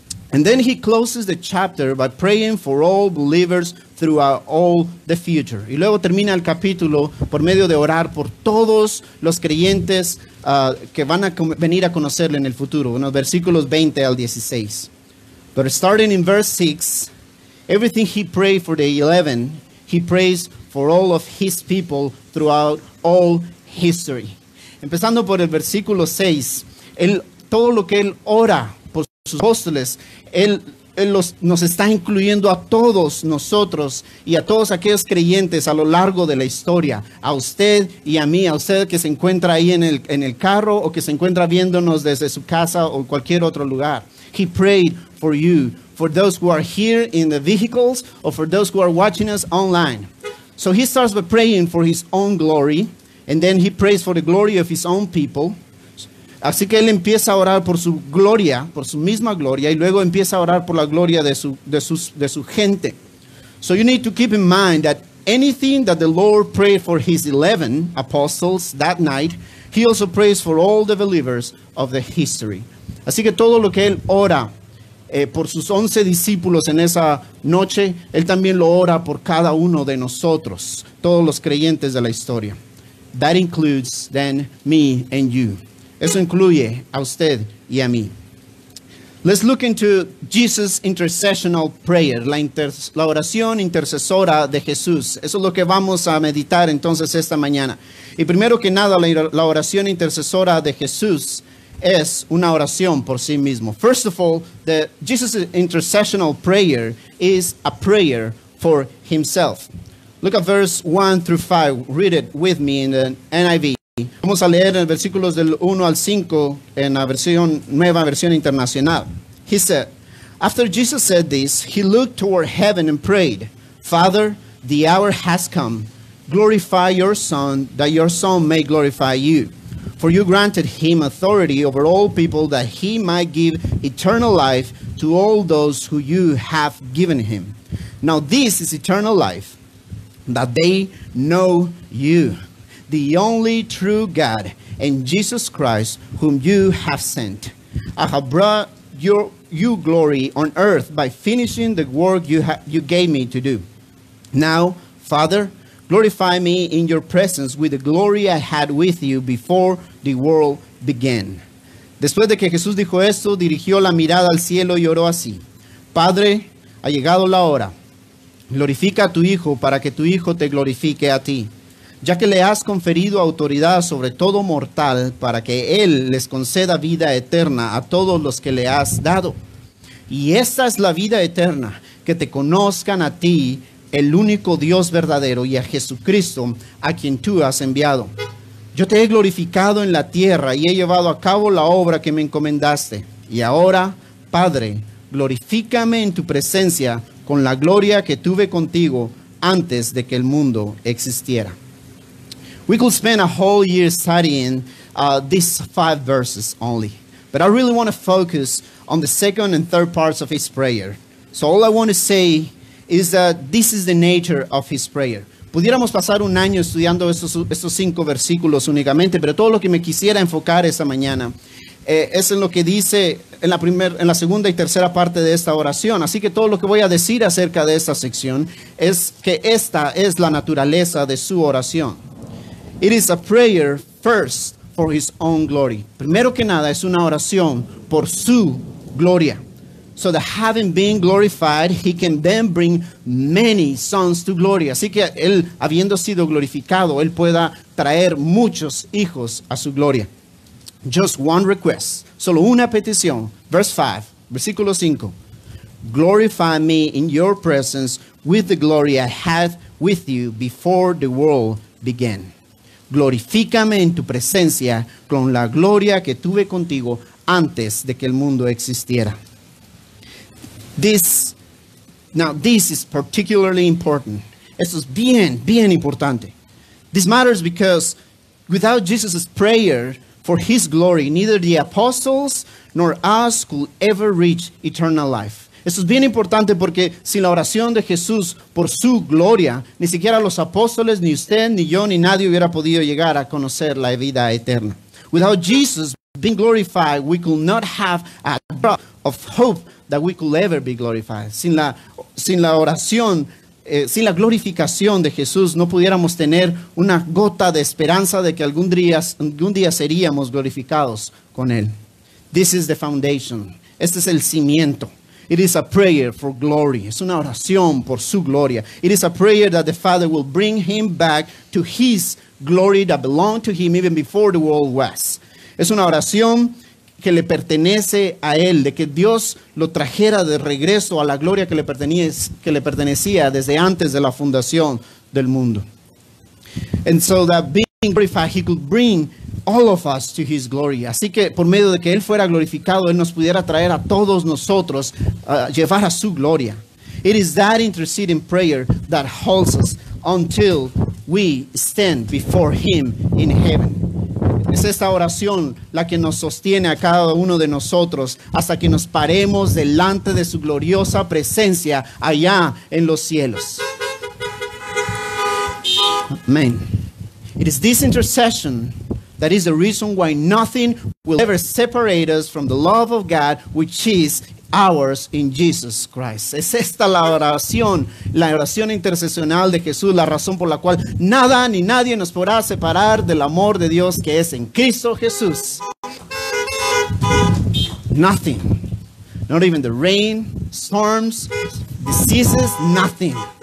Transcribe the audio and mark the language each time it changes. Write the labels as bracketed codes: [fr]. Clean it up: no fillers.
[en] And then he closes the chapter by praying for all believers throughout all the future. [es] Y luego termina el capítulo por medio de orar por todos los creyentes que van a venir a conocerle en el futuro. En los versículos 20 al 16. [en] But starting in verse 6, everything he prayed for the 11, he prays for all of his people throughout all history. [es] Empezando por el versículo 6, todo lo que él ora por sus apóstoles, nos está incluyendo a todos nosotros y a todos aquellos creyentes a lo largo de la historia, a usted y a mí, a usted que se encuentra ahí en el carro o que se encuentra viéndonos desde su casa o cualquier otro lugar. [en] He prayed for you, for those who are here in the vehicles or for those who are watching us online. So he starts by praying for his own glory, and then he prays for the glory of his own people. [es] Así que él empieza a orar por su gloria, por su misma gloria, y luego empieza a orar por la gloria de su gente. [en] So you need to keep in mind that anything that the Lord prayed for his 11 apostles that night, he also prays for all the believers of the history. [es] Así que todo lo que él ora por sus 11 discípulos en esa noche, él también lo ora por cada uno de nosotros, todos los creyentes de la historia. [en] That includes then me and you. [es] Eso incluye a usted y a mí. [en] Let's look into Jesus' intercessional prayer, [es] la oración intercesora de Jesús. Eso es lo que vamos a meditar entonces esta mañana. Y primero que nada, la oración intercesora de Jesús es una oración por sí mismo. [en] First of all, the Jesus' intercessional prayer is a prayer for himself. Look at verse 1 through 5. Read it with me in the NIV. [es] Vamos a leer en versículos del 1 al 5 en la versión Nueva Versión Internacional. [en] He said, after Jesus said this, he looked toward heaven and prayed, Father, the hour has come. Glorify your Son, that your Son may glorify you. For you granted him authority over all people, that he might give eternal life to all those who you have given him. Now this is eternal life, that they know you, the only true God, and Jesus Christ, whom you have sent. I have brought you glory on earth by finishing the work you gave me to do. Now, Father, glorify me in your presence with the glory I had with you before the world began. [es] Después de que Jesús dijo esto, dirigió la mirada al cielo y oró así: Padre, ha llegado la hora. Glorifica a tu Hijo para que tu Hijo te glorifique a ti, ya que le has conferido autoridad sobre todo mortal para que Él les conceda vida eterna a todos los que le has dado. Y esta es la vida eterna, que te conozcan a ti, el único Dios verdadero, y a Jesucristo, a quien tú has enviado. Yo te he glorificado en la tierra y he llevado a cabo la obra que me encomendaste. Y ahora, Padre, glorifícame en tu presencia con la gloria que tuve contigo antes de que el mundo existiera. [en] We could spend a whole year studying these five verses only, but I really want to focus on the second and third parts of his prayer. So all I want to say is that this is the nature of his prayer. [es] Pudiéramos pasar un año estudiando estos cinco versículos únicamente, pero todo lo que me quisiera enfocar esta mañana es en lo que dice en la segunda y tercera parte de esta oración. Así que todo lo que voy a decir acerca de esta sección es que esta es la naturaleza de su oración. [en] It is a prayer first for his own glory. [es] Primero que nada, es una oración por su gloria. [en] So that having been glorified, he can then bring many sons to glory. [es] Así que él, habiendo sido glorificado, él pueda traer muchos hijos a su gloria. [en] Just one request. [es] Solo una petición. [en] Verse 5. [es] Versículo 5. [en] Glorify me in your presence with the glory I had with you before the world began. [es] Glorifícame en tu presencia con la gloria que tuve contigo antes de que el mundo existiera. [en] This is particularly important. [es] Esto es bien, bien importante. [en] This matters because without Jesus' prayer for his glory, neither the apostles nor us could ever reach eternal life. [es] Esto es bien importante porque sin la oración de Jesús por su gloria, ni siquiera los apóstoles, ni usted, ni yo, ni nadie hubiera podido llegar a conocer la vida eterna. [en] Without Jesus being glorified, we could not have a drop of hope that we could ever be glorified. [es] Sin la glorificación de Jesús, no pudiéramos tener una gota de esperanza de que algún día seríamos glorificados con Él. [en] This is the foundation. [es] Este es el cimiento. [en] It is a prayer for glory. [es] Es una oración por su gloria. [en] It is a prayer that the Father will bring him back to his glory that belonged to him even before the world was. [es] Es una oración que le pertenece a él, de que Dios lo trajera de regreso a la gloria que le pertenecía desde antes de la fundación del mundo. [en] And so that being glorified, he could bring all of us to his glory. [es] Así que por medio de que él fuera glorificado, él nos pudiera traer a todos nosotros, llevar a su gloria. [en] It is that interceding prayer that holds us until we stand before him in heaven. [es] Es esta oración la que nos sostiene a cada uno de nosotros hasta que nos paremos delante de su gloriosa presencia allá en los cielos. [en] Amen. It is this intercession that is the reason why nothing will ever separate us from the love of God, which is ours in Jesus Christ. [es] Es esta la oración intercesional de Jesús, la razón por la cual nada ni nadie nos podrá separar del amor de Dios que es en Cristo Jesús. [en] Nothing. Not even the rain, storms, diseases, nothing.